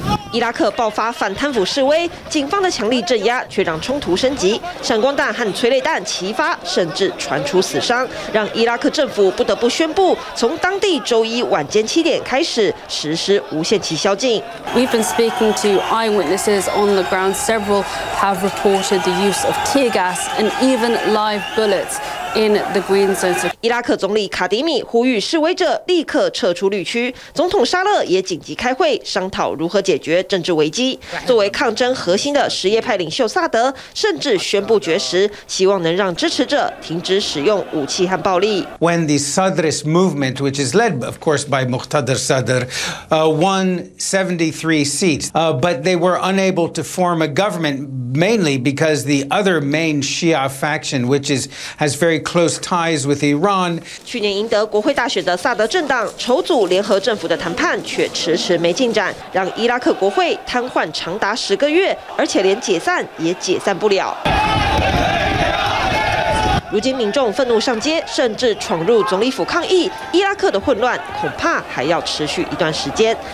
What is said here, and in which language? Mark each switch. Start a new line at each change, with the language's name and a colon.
Chinese: 伊拉克爆发反贪腐示威，警方的强力镇压却让冲突升级，闪光弹和催泪弹齐发，甚至传出死伤，让伊拉克政府不得不宣布，从当地周一晚间7点开始实施无限期宵禁。
English: We've been speaking to eyewitnesses on the ground. Several have reported the use of tear gas and even live bullets. In the green zone.
Chinese: 伊拉克总理卡迪米呼吁示威者立刻撤出绿区，总统沙勒也紧急开会商讨如何解决政治危机。作为抗争核心的什叶派领袖萨德甚至宣布绝食，希望能让支持者停止使用武器和暴力。
English: When the Sadrist movement, which is led, of course, by Muqtada Sadr, won 73 seats, but they were unable to form a government mainly because the other main Shia faction, which is has very close ties with Iran.
Chinese: 去年赢得国会大选的萨德政党筹组联合政府的谈判却迟迟没进展，让伊拉克国会瘫痪长达10个月，而且连解散也解散不了。如今民众愤怒上街，甚至闯入总理府抗议，伊拉克的混乱恐怕还要持续一段时间。